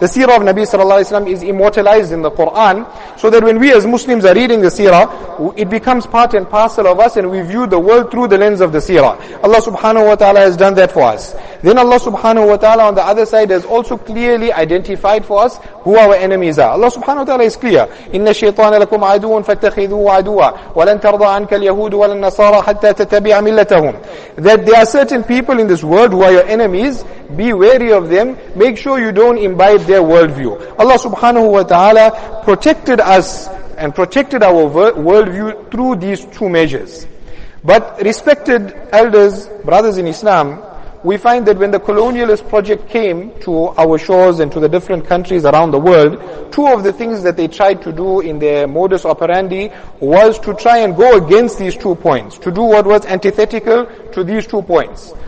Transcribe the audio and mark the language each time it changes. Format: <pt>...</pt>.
<en>The seerah of Nabi sallallahu alayhi wa sallam is immortalized in the Quran, so that when we as Muslims are reading the seerah, it becomes part and parcel of us, and we view the world through the lens of the seerah. Allah subhanahu wa ta'ala has done that for us. Then Allah subhanahu wa ta'ala on the other side has also clearly identified for us who our enemies are. Allah subhanahu wa ta'ala is clear.</en> <ar>Inna shaitana lakum عدو فاتخذوه عدوا ولن ترضى عنك اليهود ولا النصارى حتى تتبع ملتهم.</ar> <en>That there are certain people in this world who are your enemies, be wary of them, make sure you don't imbibe their worldview. Allah subhanahu wa ta'ala protected us and protected our worldview through these two measures. But respected elders, brothers in Islam, we find that when the colonialist project came to our shores and to the different countries around the world, two of the things that they tried to do in their modus operandi was to try and go against these two points, to do what was antithetical to these two points.</en>